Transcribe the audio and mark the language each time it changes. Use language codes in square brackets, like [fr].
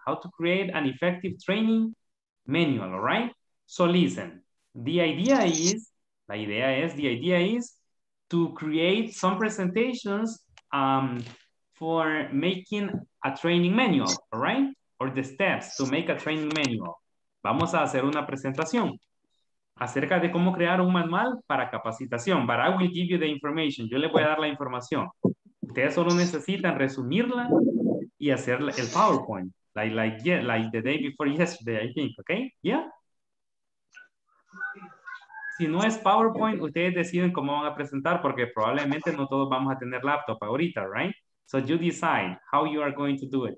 [en] How to create an effective training manual, all right? So listen, the idea is to create some presentations for making a training manual, all right? Or the steps to make a training manual. [es] Vamos a hacer una presentación acerca de cómo crear un manual para capacitación. [en] But I will give you the information. [es] Yo le voy a dar la información. Ustedes solo necesitan resumirla y hacer el PowerPoint. [en] Like the day before yesterday, I think, okay? Yeah? [es] Si no es PowerPoint, ustedes deciden cómo van a presentar porque probablemente no todos vamos a tener laptop ahorita, right? [en] So you decide how you are going to do it.